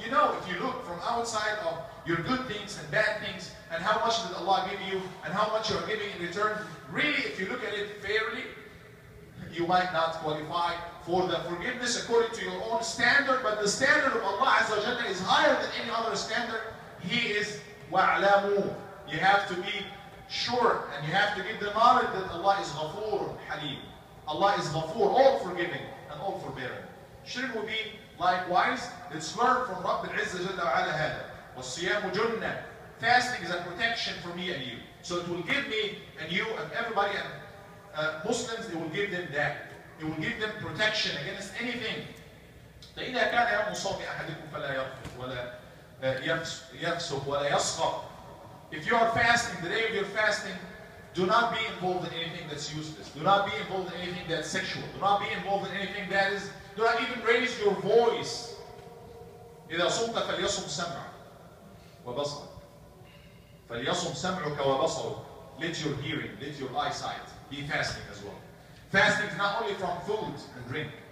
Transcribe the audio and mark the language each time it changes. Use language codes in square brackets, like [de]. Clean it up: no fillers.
[en] You know, if you look from outside of your good things and bad things, and how much did Allah give you, and how much you are giving in return, really, if you look at it fairly, you might not qualify for the forgiveness according to your own standard, but the standard of Allah Azza wa Jalla is higher than any other standard. He is wa'lamu. You have to be sure, and you have to give the knowledge that Allah is ghafoor, haleem. Allah is ghafoor, all forgiving and all forbearing. Shouldn't we be likewise? Let's learn from [ar] رب العزة جل وعلا هذا. والصيام جنة. [en] Fasting is a protection for me and you. So it will give me and you and everybody and Muslims, it will give them that. It will give them protection against anything. [ar] فإذا كان يوم صوم أحدكم فلا يرفث ولا يفسق ولا يسقط. [en] If you are fasting, the day of your fasting, Do not be involved in anything that's useless. Do not be involved in anything that's sexual. Do not be involved in anything that is... Do not even raise your voice. [ar] إِذَا صُمْتَ فَلْيَصُمْ سَمْعَ وَبَصَرُ فَلْيَصُمْ سَمْعُكَ وَبَصَرُ [en] Let your hearing, let your eyesight be fasting as well. Fasting is not only from food and drink.